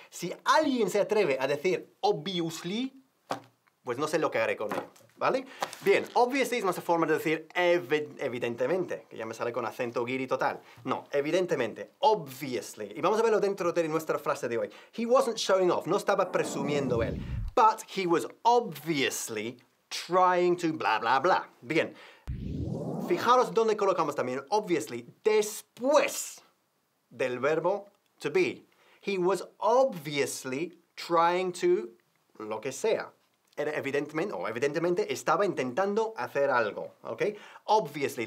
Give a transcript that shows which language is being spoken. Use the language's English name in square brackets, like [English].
[Spanish] Si alguien se atreve a decir obviously, pues no sé lo que haré con él, ¿vale? Bien, obviously es nuestra forma de decir evidentemente, que ya me sale con acento guiri total. No, evidentemente, obviously. Y vamos a verlo dentro de nuestra frase de hoy. [English] He wasn't showing off, no estaba presumiendo él. But he was obviously trying to bla bla bla. [Spanish] Bien, fijaros dónde colocamos también obviously después del verbo to be. [English] He was obviously trying to lo que sea. [Spanish] Era evidentemente, o evidentemente, estaba intentando hacer algo, ¿ok? Obviously.